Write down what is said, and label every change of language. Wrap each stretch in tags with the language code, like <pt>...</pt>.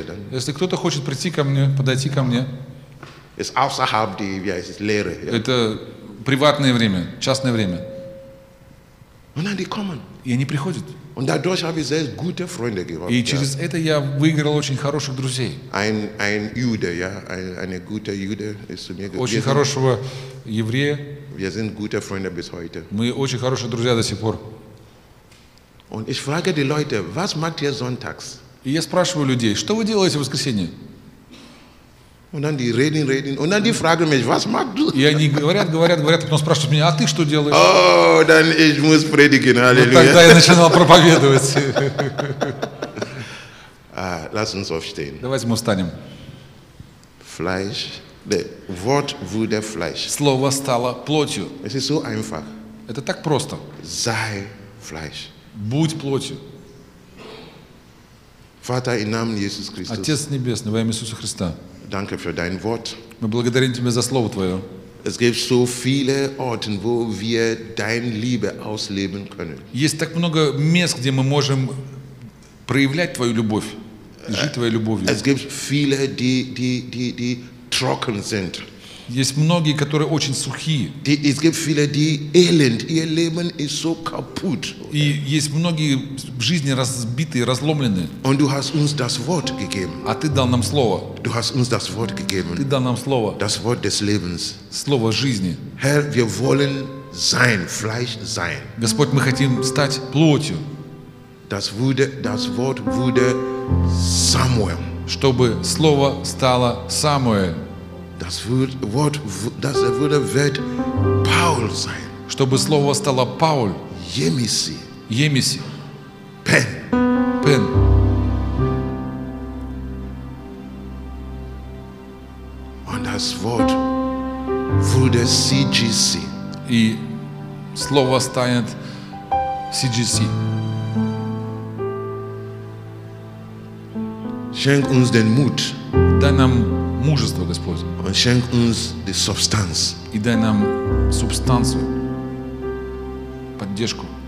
<ru>Если кто-то хочет прийти ко мне, подойти ко мне. Это приватное время, частное время. И они приходят.</ru> <de>Und dadurch habe ich sehr gute Freunde gewonnen.</de> <ru>И через это я выиграл очень хороших друзей.</ru> <de>Ein Jude, ja, eine gute Jude ist zu mir gekommen.</de> <ru>Очень хорошего еврея.</ru> <de>Wir sind gute Freunde bis heute.</de> <ru>Мы очень хорошие друзья до сих пор.</ru> <de>Und ich frage die Leute, was macht ihr sonntags?</de> <ru>И я спрашиваю людей, что вы делаете в воскресенье?</ru> <de>Und dann die reden, und dann die fragen mich, was machst du?</de> <ru>И они говорят, потом спрашивают меня, а ты что делаешь?</ru> <de>Oh, dann ich muss predigen, halleluja.</de> <ru>Вот тогда я начинал проповедовать.</ru> <de>Lass uns aufstehen.</de> <ru>Давайте мы встанем.</ru> <de>Fleisch, the Wort wurde Fleisch.</de> <ru>Слово стало плотью.</ru> <de>Es ist so einfach.</de> <ru>Это так просто.</ru> <de>Sei Fleisch.</de> <ru>Будь плотью.</ru> <de>Vater im Namen Jesus Christus.</de> <ru>Отец небесный, во имя Иисуса Христа.</ru> <de>Danke für dein Wort.</de> <ru>Мы благодарим тебя за слово твое.</ru> <de>Es gibt so viele Orte, wo wir deine Liebe ausleben können.</de> <ru>Есть так много мест, где мы можем проявлять твою любовь, жить твоей любовью.</ru> <de>Es gibt viele, die trocken sind.</de> <ru>Есть многие, которые очень сухие.</ru> <de>Es gibt viele, die elend. Ihr Leben ist so kaputt.</de> <ru>И есть многие в жизни разбитые, разломленные.</ru> <de>Und du hast uns das Wort gegeben.</de> <ru>А ты дал нам слово.</ru> <de>Du hast uns das Wort gegeben.</de> <ru>Ты дал нам слово.</ru> <de>Das Wort des Lebens.</de> <ru>Слово жизни.</ru> <de>Herr, wir wollen sein, Fleisch sein.</de> <ru>Господь, мы хотим стать плотью.</ru> <de>Das Wort wurde Samuel.</de> <ru>Чтобы слово стало Самуэль.</ru> <de>Das Wort wird Paul sein.</de> <ru>Чтобы слово стало Паул. Емиси. Емиси. Пен. Пен.</ru> <de>Und das Wort wurde CGC.</de> <ru>И слово станет CGC.</ru> <de>Schenk uns den Mut.</de> <ru>Дай нам мужество, Господь.</ru> <de>Und schenk uns die Substanz.</de> <ru>И дай нам субстанцию, поддержку.</ru>